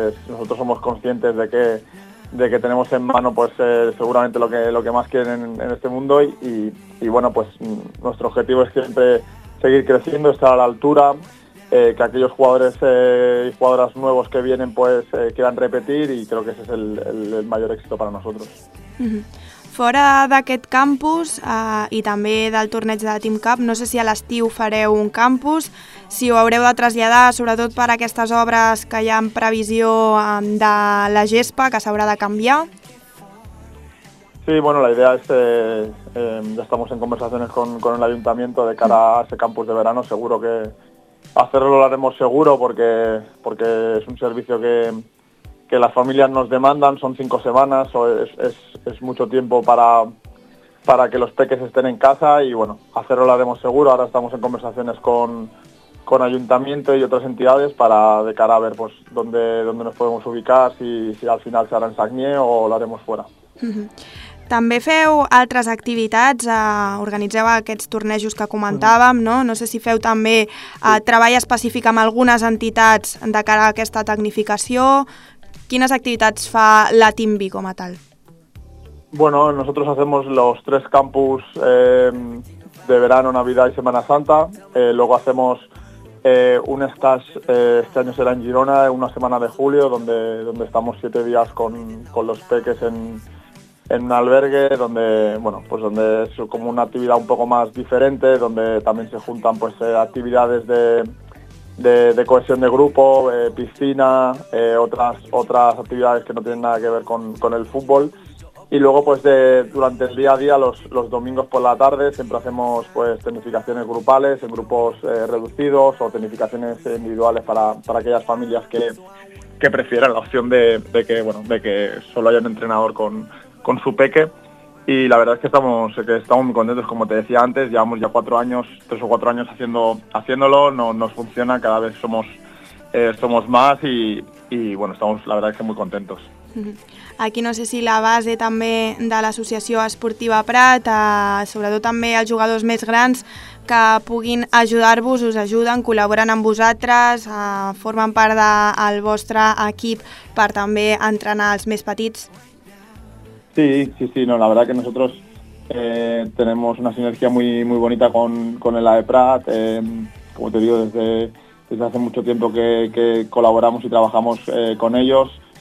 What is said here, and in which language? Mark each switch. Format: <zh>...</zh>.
<es>Nosotros somos conscientes de que tenemos en mano pues seguramente lo que más quieren en este mundo, y bueno, pues nuestro objetivo es siempre seguir creciendo, estar a la altura, que aquellos jugadores y jugadoras nuevos que vienen pues quieran repetir, y creo que ese es el mayor éxito para nosotros.</es> <ca>Fora d'aquest campus i també del torneig de la Team Cup, no sé si a l'estiu fareu un campus, si ho haureu de traslladar, sobretot per aquestes obres que hi ha en previsió de la gespa, que s'haurà de canviar.</ca> <es>Sí, bueno, la idea es, ya estamos en conversaciones con el ayuntamiento de cara a ese campus de verano. Seguro que hacerlo lo haremos seguro, porque es un servicio que las familias nos demandan. Son 5 semanas, es mucho tiempo para que los peques estén en casa, y bueno, hacerlo lo haremos seguro. Ahora estamos en conversaciones con ayuntamiento y otras entidades para de cara a ver pues dónde nos podemos ubicar, si al final se hará en Sagnier o lo haremos fuera.</es> <ca>També feu altres activitats, organitzeu aquests tornejos que comentàvem, no? No sé si feu també treball específic amb algunes entitats de cara a aquesta tecnificació. Quines activitats fa la Team B com a tal?</ca> <es>Bueno, nosotros hacemos los tres campus de verano, Navidad y Semana Santa. Luego hacemos un stage, este año será en Girona, una semana de julio, donde estamos 7 días con los peques en un albergue, donde es como una actividad un poco más diferente, donde también se juntan actividades de cohesión de grupo, piscina, otras actividades que no tienen nada que ver con el fútbol. Y luego durante el día a día, los domingos por la tarde, siempre hacemos tecnificaciones grupales en grupos reducidos o tecnificaciones individuales para aquellas familias que prefieran la opción de que solo haya un entrenador con su peque. Y la verdad es que estamos muy contentos, como te decía antes, llevamos ya 3 o 4 años haciéndolo, nos funciona, cada vez somos más y estamos, la verdad es que, muy contentos.</es> <ca>Aquí no sé si la base també de l'Associació Esportiva Prat, sobretot també els jugadors més grans que puguin ajudar-vos, us ajuden, col·laboren amb vosaltres, formen part del vostre equip per també entrenar els més petits.</ca> <es>Sí, no, la verdad que nosotros tenemos una sinergia muy, muy bonita con el AE Prat, como te digo, desde hace mucho tiempo que colaboramos y trabajamos con ellos.</es>